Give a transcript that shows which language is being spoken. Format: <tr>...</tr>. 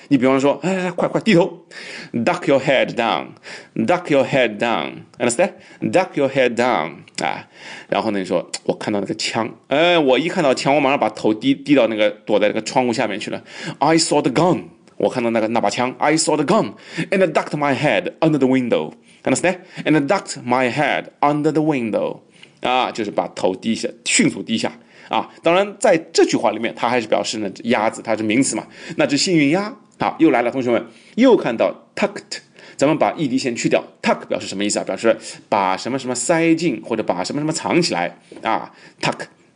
<zh>你比方说，哎，快快低头</zh> <en>，duck your head down, duck your head down, understand? Duck your head down 啊。</en> <zh>然后呢，你说我看到那个枪，哎，我一看到枪，我马上把头低到那个躲在那个窗户下面去了。</zh> <en>I saw the gun,</en> <zh>我看到那把枪。</zh> <en>I saw the gun and I ducked my head under the window, understand? And I ducked my head under the window.</en> <zh>啊，就是把头低下，迅速低下啊！当然，在这句话里面，它还是表示呢鸭子，它是名词嘛。那只幸运鸭啊，又来了，同学们又看到 tucked， 咱们把 ed 先去掉 ，tuck 表示什么意思啊？表示把什么什么塞进或者把什么什么藏起来啊 ，tuck。</zh>